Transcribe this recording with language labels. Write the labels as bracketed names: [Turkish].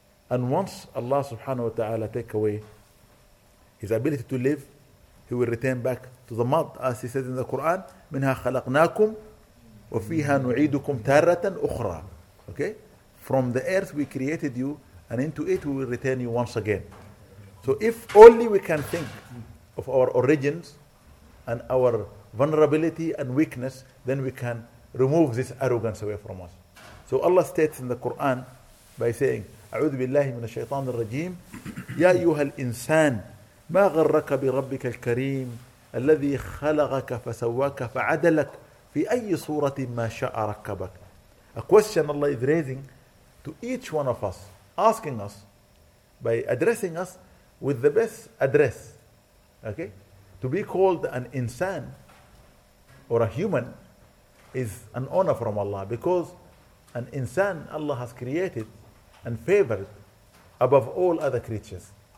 [English] And once Allah subhanahu wa ta'ala take away his ability to live, he will return back to the mud, as he says in the Quran, [Arabic] مِنْهَا خَلَقْنَاكُمْ وَفِيهَا نُعِيدُكُمْ تَارَةً أُخْرَى. [English] Okay? From the earth we created you, and into it we will return you once again. So if only we can think of our origins and our vulnerability and weakness, then we can remove this arrogance away from us. So Allah states in the Quran by saying, [Arabic] أعوذ بالله من الشيطان الرجيم يا أيها الإنسان ما غرك بربك الكريم الذي خلقك فسواك فعدلك في أي صورة ما شاء ركبك. [English] A question Allah is raising to each one of us, asking us by addressing us with the best address, okay? To be called an insan or a human is an honor from Allah, because an insan Allah has created and favored above all other creatures.